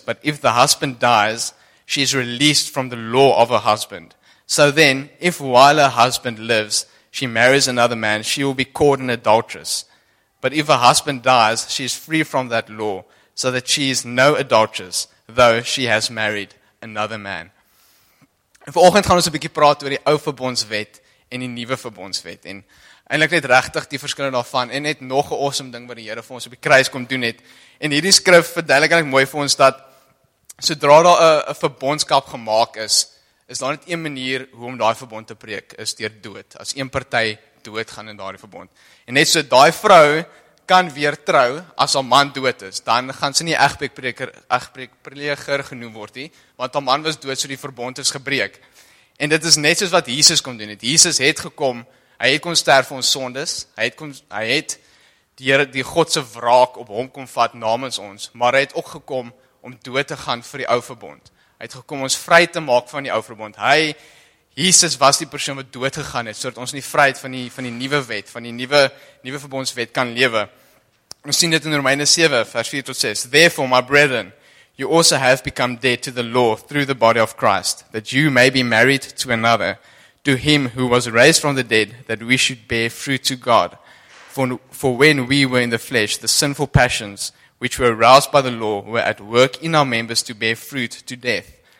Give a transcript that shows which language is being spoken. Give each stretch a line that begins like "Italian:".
English: But if the husband dies, she is released from the law of her husband. So then, if while her husband lives, she marries another man, she will be caught an adulteress. But if her husband dies, she is free from that law so that she is no adulteress, though she has married another man.
Afrikaans: En vanoggend gaan ons 'n bietjie praat oor die ou verbondswet en die nuwe verbondswet en eintlik net regtig die verskille daarvan en net nog 'n awesome ding wat die Here vir ons op die kruis kom doen het. En hierdie skrif verduidelik eintlik mooi vir ons dat sodra daar 'n verbondskap gemaak is, is daar net een manier hoe om daai verbond te breek, is deur dood. As een party dood gaan in daai verbond. En net so daai vrou kan weer trou as haar man dood is, dan gaan sy nie egbreekpreker genoem word nie, want haar man was dood, so die verbond is gebreek. En dit is net soos wat Jesus kom doen het. Jesus het gekom, hy het kom sterf vir ons sondes, hy het die Here die God se wraak op hom kom vat namens ons, maar hy het ook gekom om dood te gaan vir die ou verbond. Hy het gekom ons vry te maak van die ou verbond. Jesus was die persoon wat dood gegaan het sodat ons in die vryheid van die nuwe wet, van die nuwe verbondswet kan lewe. Ons sien dit in Romeine 7 vers 4 tot 6.
English: Therefore my brethren, you also have become dead to the law through the body of Christ, that you may be married to another, to him who was raised from the dead, that we should bear fruit to God. For when we were in the flesh, the sinful passions which were aroused by the law were at work in our members to bear fruit to death.